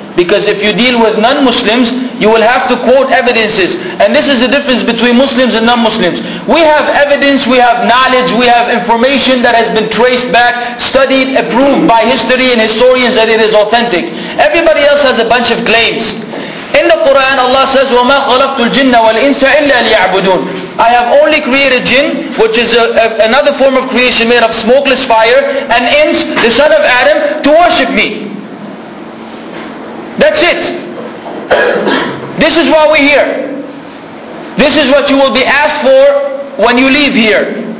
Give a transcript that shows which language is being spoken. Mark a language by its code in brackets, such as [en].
[en] Because if you deal with non-Muslims, you will have to quote evidences. And this is the difference between Muslims and non-Muslims. We have evidence, we have knowledge, we have information that has been traced back, studied, approved by history and historians that it is authentic. Everybody else has a bunch of claims. In the Quran, Allah says, [ar] وَمَا خَلَقْتُ الْجِنَّ وَالْإِنسَ إِلَّا لِيَعْبُدُونَ. [en] I have only created jinn, which is another form of creation made of smokeless fire, and ins, the son of Adam, to worship me. That's it. This is why we're here. This is what you will be asked for when you leave here.